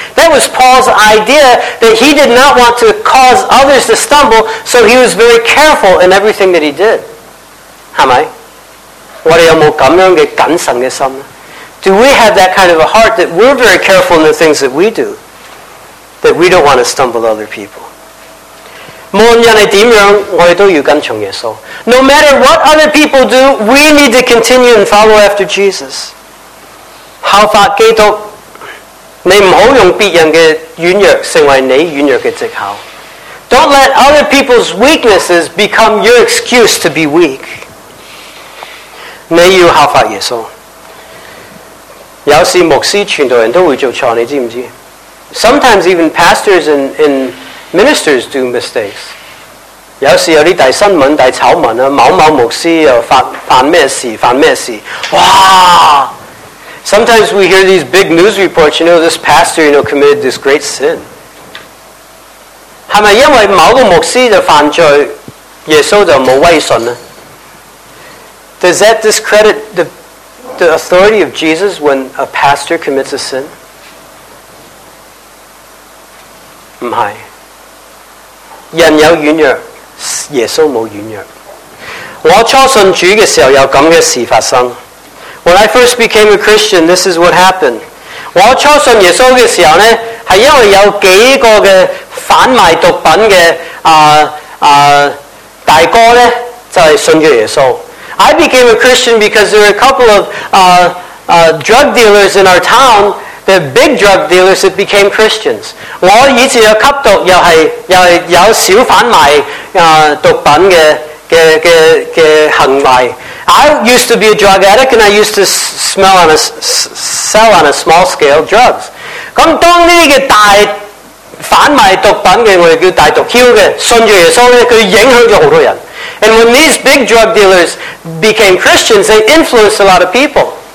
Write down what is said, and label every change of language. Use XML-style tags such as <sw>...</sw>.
<en>That was Paul's idea, that he did not want to cause others to stumble, so he was very careful in everything that he did.</en> <zh>是吗？我们有没有这样的谨慎的心呢？</zh> <en>Do we have that kind of a heart that we're very careful in the things that we do, that we don't want to stumble other people?</en> <zh>无论人是怎样，我们都要跟从耶稣。</zh> <en>No matter what other people do, we need to continue and follow after Jesus.</en> <zh>效法基督，你不要用别人的软弱成为你软弱的藉口。</zh> <en>Don't let other people's weaknesses become your excuse to be weak.</en> <zh>你要效法耶稣。有时牧师传道人都会做错, 你知不知?</zh> <en>Sometimes even pastors and ministers do mistakes.</en> <zh>有时有些大新闻大丑闻, 某某牧师又犯什么事, 犯什么事, 哇!</zh> <en>Sometimes we hear these big news reports, you know, this pastor, you know, committed this great sin.</en> <zh>是不是因为某个牧师犯罪, 耶稣就没威信呢?</zh> <en>Does that discredit the authority of Jesus when a pastor commits a sin?</en> <zh>不是。人有软弱, 耶稣没软弱。我初信主的时候有这样的事发生。</zh> <en>When I first became a Christian, this is what happened.</en> <zh>我初信耶稣的时候呢, 是因为有几个贩卖毒品的大哥呢, 就是信了耶稣。</zh> <en>I became a Christian because there were a couple of drug dealers in our town, the big drug dealers that became Christians.</en> <zh>我以前有吸毒,又是有少贩卖毒品的行为。</zh> <en>I used to be a drug addict and I used to smell on a, sell on a small scale drugs.</en> <zh>当这些大贩卖毒品的,我们叫大毒枭的,信了耶稣,他影响了很多人。</zh> <en>And when these big drug dealers became Christians, they influenced a lot of people.</en>